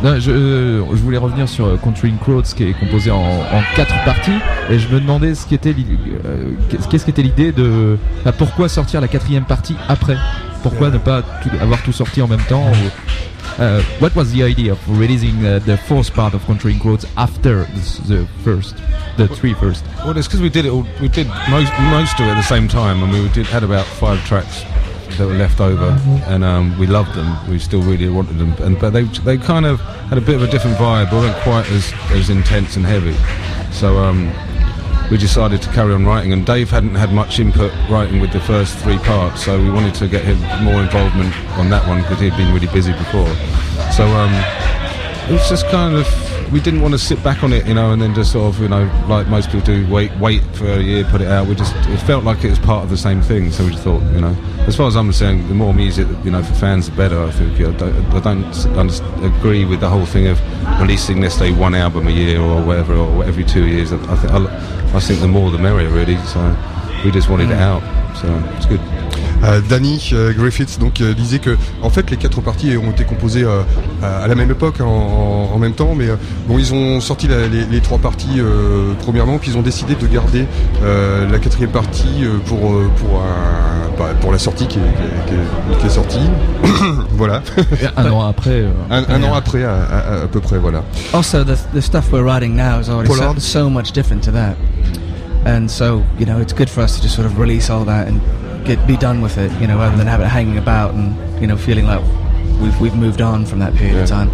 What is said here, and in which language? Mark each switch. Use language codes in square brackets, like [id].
[fr] Non, je voulais revenir sur Country in Crowds, qui est composé en quatre parties, et je me demandais qu'est-ce qui était l'idée de pourquoi sortir la quatrième partie après, pourquoi ne pas avoir tout sorti en même temps. [en] What was the idea of releasing the fourth part of Country in Crowds after the three first? Well, it's because we did most of it at the same time, and we had about five tracks that were left over, and we loved them. We still really wanted them, but they kind of had a bit of a different vibe. They weren't quite as intense and heavy, so we decided to carry on writing. And Dave hadn't had much input writing with the first three parts, so we wanted to get him more involvement on that one because he'd been really busy before. So it was just kind of, we didn't want to sit back on it, you know, and then just sort of, you know, like most people do, wait for a year, put it out. It felt like it was part of the same thing, so we just thought, you know, as far as I'm saying, the more music, you know, for fans, the better, I think. I don't agree with the whole thing of releasing, let's say, one album a year or whatever, every 2 years. I think the more the merrier, really, so we just wanted it out, so it's good. [fr] Danny Griffiths donc disait que en fait les quatre parties ont été composées à la même époque, en même temps, mais bon, ils ont sorti les trois parties premièrement, puis ils ont décidé de garder la quatrième partie pour la sortie qui est sortie. Voilà. Un an après à peu près, voilà. [en] Also, the stuff we're writing now is already so much different to that, and so, you know, it's good for us to just sort of release all that and be done with it, you know, rather than have it hanging about and, you know, feeling like we've moved on from that period of time.